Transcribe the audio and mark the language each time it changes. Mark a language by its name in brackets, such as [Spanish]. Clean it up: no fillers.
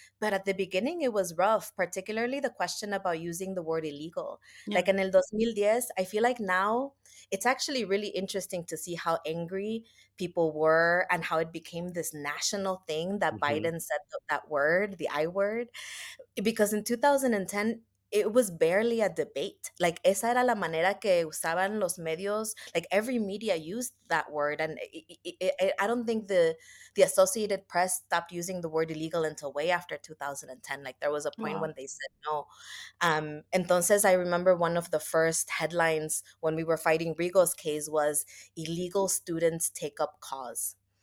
[English] But at the beginning, it was rough, particularly the question about using the word illegal. Yeah. Like in el 2010, I feel like now it's actually really interesting to see how angry people were and how it became this national thing that Biden said that word, the I word. Because in 2010, it was barely a debate. [Spanish] Like, esa era la manera que usaban los medios. [English] Like, every media used that word. And I don't think the Associated Press stopped using the word illegal until way after 2010. Like, there was a point when they said no. Entonces, I remember one of the first headlines when we were fighting Rigo's case was, illegal students take up cause.